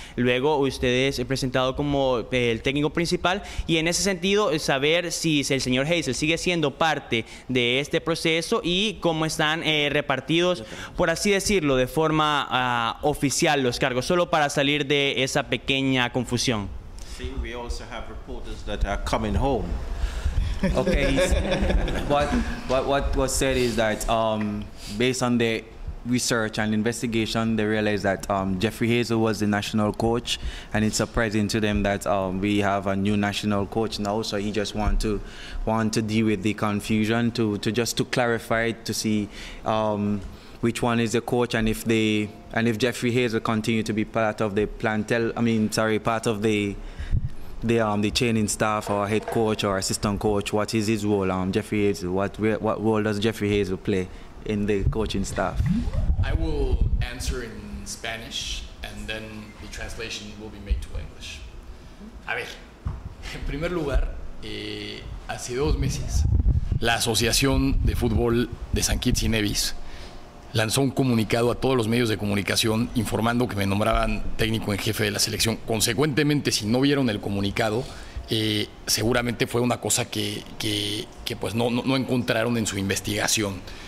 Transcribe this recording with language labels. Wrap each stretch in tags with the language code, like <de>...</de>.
<es>Luego, ustedes he presentado como el técnico principal, y en ese sentido saber si el señor Hazel sigue siendo parte de este proceso y cómo están repartidos, por así decirlo, de forma oficial los cargos, solo para salir de esa pequeña confusión.</es> <en>Sí, we also have reporters that are coming home. Okay. What was said is that based on the research and investigation, they realized that Jeffrey Hazel was the national coach, and it's surprising to them that we have a new national coach now. So he just want to deal with the confusion, to clarify, to see which one is the coach, and if Jeffrey Hazel continue to be part of the plantel, part of the training staff or head coach or assistant coach, what is his role, Jeffrey Hazel, what role does Jeffrey Hazel play in the coaching staff? I will answer in Spanish, and then the translation will be made to English.</en> <es>A ver, en primer lugar, hace dos meses, la Asociación de Fútbol de San Kitts y Nevis lanzó un comunicado a todos los medios de comunicación informando que me nombraban técnico en jefe de la selección. Consecuentemente, si no vieron el comunicado, seguramente fue una cosa que no encontraron en su investigación.</es>